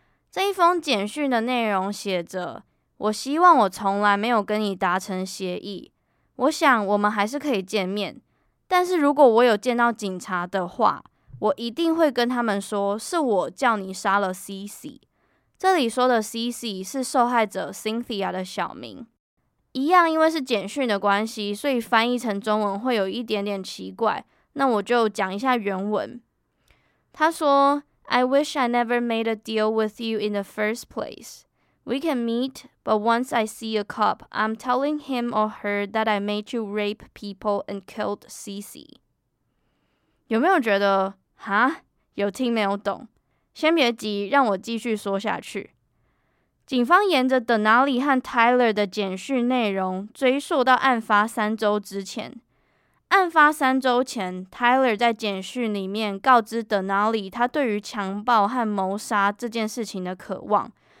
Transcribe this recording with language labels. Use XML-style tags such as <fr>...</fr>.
<zh>这一封简讯的内容写着，我希望我从来没有跟你达成协议，我想我们还是可以见面，但是如果我有见到警察的话，我一定会跟他们说是我叫你杀了 CC。这里说的 CC 是受害者 Cynthia 的小名。一样因为是简讯的关系，所以翻译成中文会有一点点奇怪，那我就讲一下原文。</zh> <en>他说 I wish I never made a deal with you in the first place. We can meet, but once I see a cop, I'm telling him or her that I made you rape people and killed CC.</en> <zh>有没有觉得哈？有听没有懂？先别急，让我继续说下去。警方沿着 Denali 和 Tyler 的简讯内容追溯到案发三周之前。案发三周前 ，Tyler 在简讯里面告知 Denali 他对于强暴和谋杀这件事情的渴望。</zh>